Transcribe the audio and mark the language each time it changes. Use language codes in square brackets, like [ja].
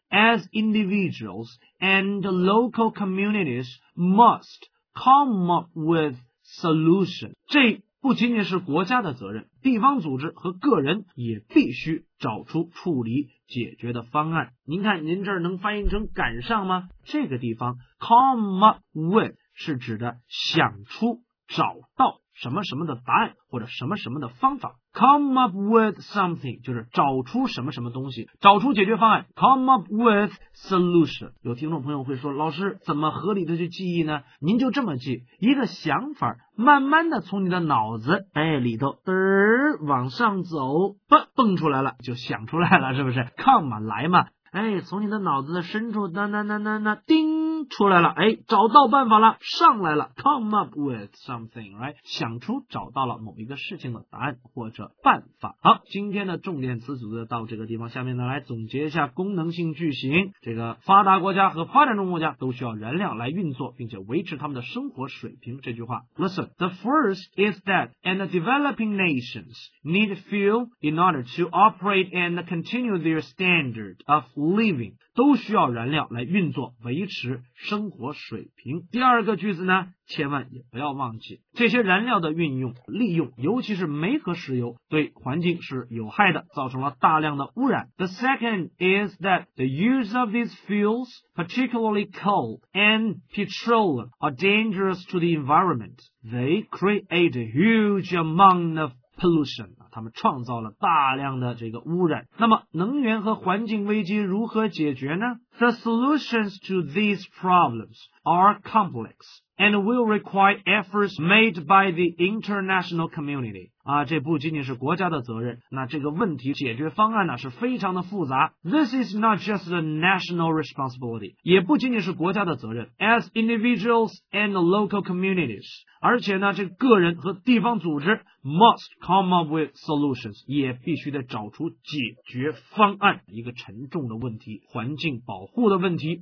[en] As individuals and local communities must come up with solutions. [zh] 这不仅仅是国家的责任，地方组织和个人也必须找出处理解决的方案。您看您这儿能翻译成赶上吗？这个地方 [en] come up with [zh] 是指的想出找到什么什么的答案或者什么什么的方法。 [en] Come up with something [zh] 就是找出什么什么东西，找出解决方案。 [en] Come up with solution。 [zh] 有听众朋友会说，老师怎么合理的去记忆呢？您就这么记，一个想法慢慢的从你的脑子里头往上走，蹦出来了，就想出来了，是不是 ？Come 嘛，来嘛，从你的脑子的深处，叮。出来了，找到办法了，上来了 ， [en] come up with something， right？ [zh] 想出找到了某一个事情的答案或者办法。好，今天的重点词组就到这个地方，下面呢来总结一下功能性句型。这个发达国家和发展中国家都需要燃料来运作，并且维持他们的生活水平。这句话 [en] ，Listen， the first is that and the developing nations need fuel in order to operate and continue their standard of living。 [zh] 都需要燃料来运作，维持生活水平。第二个句子呢，千万也不要忘记，这些燃料的运用、利用，尤其是煤和石油，对环境是有害的，造成了大量的污染。 [en] The second is that the use of these fuels, particularly coal and petroleum, are dangerous to the environment. They create a huge amount of pollution. [zh] 他们创造了大量的这个污染。那么能源和环境危机如何解决呢？ [en] The solutions to these problems are complex and will require efforts made by the international community. [zh] 这不仅仅是国家的责任，那这个问题解决方案呢是非常的复杂。 [en] This is not just a national responsibility, [zh] 也不仅仅是国家的责任。 [en] As individuals and local communities, [zh] 而且呢这个人和地方组织 [en] must come up withSolutions [zh] 也必须得找出解决方案，一个沉重的问题，环境保护的问题。